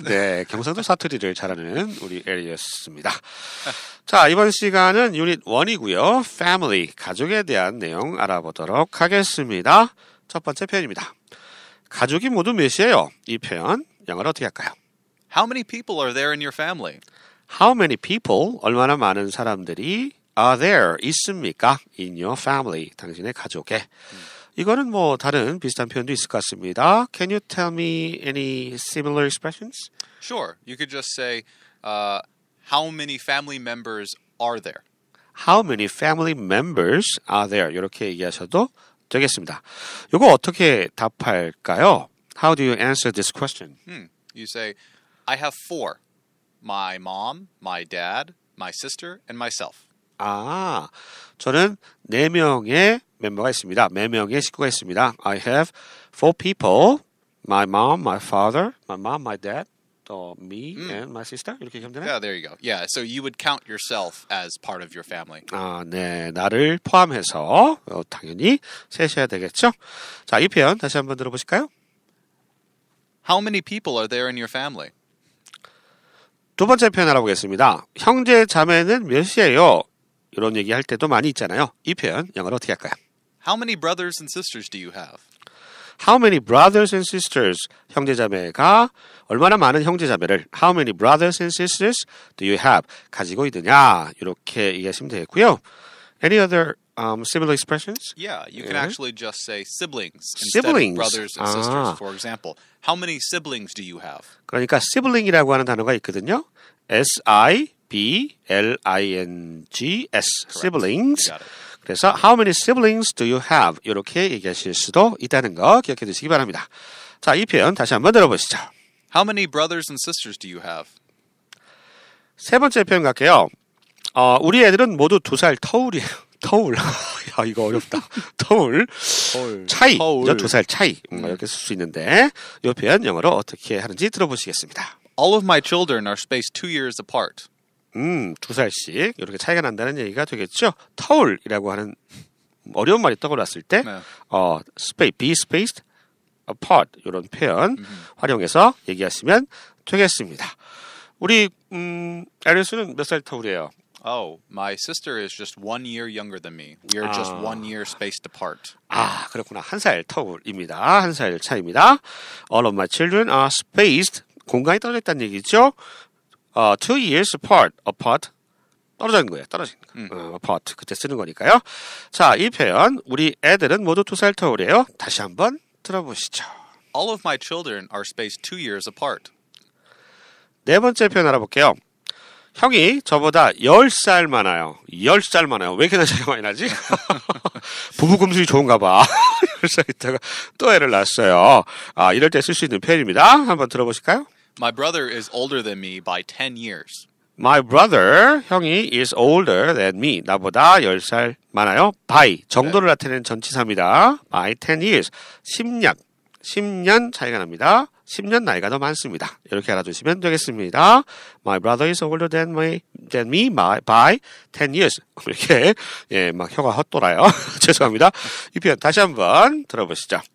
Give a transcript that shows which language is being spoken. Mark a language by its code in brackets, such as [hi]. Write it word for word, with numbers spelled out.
[ko] 네, 경상도 사투리를 잘하는 우리 에리였습니다. 자, 이번 시간은 유닛 일이고요. Family, 가족에 대한 내용 알아보도록 하겠습니다. 첫 번째 표현입니다. 가족이 모두 몇이에요? 이 표현, 영어로 어떻게 할까요? [en] How many people are there in your family? How many people, [ko] 얼마나 많은 사람들이 [en] are there, [ko] 있습니까? [en] In your family, [ko] 당신의 가족에. 음. 이거는 뭐 다른 비슷한 표현도 있을 것 같습니다. [en] Can you tell me any similar expressions? Sure. You could just say, uh, how many family members are there? How many family members are there? [ko] 이렇게 얘기하셔도 되겠습니다. 이거 어떻게 답할까요? [en] How do you answer this question? Hmm. You say, I have four. My mom, my dad, my sister, and myself. [ko] 아, 저는 네 명의 멤버가 있습니다. 네 명의 식구가 있습니다. [en] I have four people. My mom, my father, my mom, my dad, [ko] 또 [en] me mm. and my sister. [ko] 이렇게 하면 되나요? [en] Yeah, there you go. Yeah, so you would count yourself as part of your family. [ko] 아, 네. 나를 포함해서 어, 당연히 셋이어야 되겠죠? 자, 이 표현 다시 한번 들어보실까요? [en] How many people are there in your family? [ko] 두 번째 표현 알아보겠습니다. 형제 자매는 몇이에요? 이런 얘기할 때도 많이 있잖아요. 이 표현 영어로 어떻게 할까요? [en] How many brothers and sisters do you have? How many brothers and sisters? [ko] 형제 자매가 얼마나 많은 형제 자매를 [en] How many brothers and sisters do you have? [ko] 가지고 있느냐? 이렇게 얘기하시면 되겠고요. [en] Any other um, similar expressions? Yeah, you can 네. actually just say siblings, siblings instead of brothers and sisters. 아. For example, how many siblings do you have? [ko] 그러니까 sibling이라고 하는 단어가 있거든요. [en] S I B L I N G S, siblings. [ko] 그래서 [en] how many siblings do you have? [ko] 이렇게 얘기하실 수도 있다는 거 기억해 두시기 바랍니다. 자, 이 표현 다시 한번 들어보시죠. [en] How many brothers and sisters do you have? [ko] 세 번째 표현 갈게요. 어, 우리 애들은 모두 두 살 터울이에요. 터울. 야, 이거 어렵다. 터울. 차이. 두 살 차이. 음, 음. 이렇게 쓸 수 있는데 이 표현 영어로 어떻게 하는지 들어보시겠습니다. [en] All of my children are spaced two years apart. [ko] 음, 두 살씩 이렇게 차이가 난다는 얘기가 되겠죠. 터울이라고 하는 어려운 말이 떠올랐을 때 네. [en] 어, space, be spaced apart [ko] 이런 표현 [en] 음. [ko] 활용해서 얘기하시면 되겠습니다. 우리 음, 에리스는 몇 살 터울이에요? [en] Oh, my sister is just one year younger than me. We are just 아. one year spaced apart. [ko] 아, 그렇구나. 한 살 터울입니다. 한 살 차이입니다. [en] All of my children are spaced. [ko] 공간이 떨어졌다는 얘기죠. 어, [en] two years apart. [ko] apart. 떨어진 거예요. 떨어진 거. 음. 어, apart. 그때 쓰는 거니까요. 자, 이 표현. 우리 애들은 모두 두 살 터울이에요. 다시 한번 들어보시죠. [en] All of my children are spaced two years apart. [ko] 네 번째 표현 알아볼게요. 형이 저보다 열 살 많아요. 열 살 많아요. 왜 이렇게 차이가 많이 나지? 부부 금술이 좋은가 봐. 열 살 있다가 또 애를 낳았어요. 아, 이럴 때 쓸 수 있는 표현입니다. 한번 들어보실까요? [en] My brother is older than me by ten years. My brother, [ko] 형이 [en] is older than me. [ko] 나보다 열 살 많아요. by, 정도를 네. 나타내는 전치사입니다. [en] by ten years. [ko] 십 년. 십 년 차이가 납니다. 십 년 나이가 더 많습니다. 이렇게 알아두시면 되겠습니다. [en] My brother is older than me, than me by ten years. [ko] 이렇게 예, 막 혀가 헛돌아요. 죄송합니다. 이 표현 다시 한번 들어보시죠.